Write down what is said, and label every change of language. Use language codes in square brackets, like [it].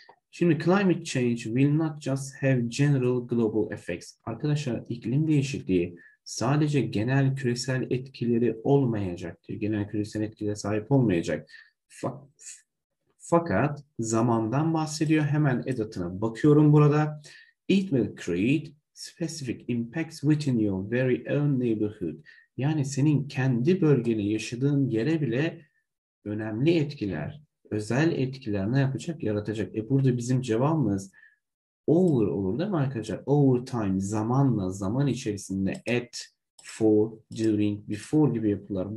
[en] Şimdi climate change will not just have general global effects. [tr] Arkadaşlar iklim değişikliği sadece genel küresel etkileri olmayacak diyor. Genel küresel etkiye sahip olmayacak. Fakat zamandan bahsediyor. Hemen edatına bakıyorum burada. [en] It will create specific impacts within your very own neighborhood. [tr] Yani senin kendi bölgene yaşadığın yere bile önemli etkiler, özel etkiler ne yapacak? Yaratacak. Burada bizim cevabımız olur değil mi arkadaşlar? [en] Over time, [tr] zamanla, zaman içerisinde at, for, during, before gibi yapılar.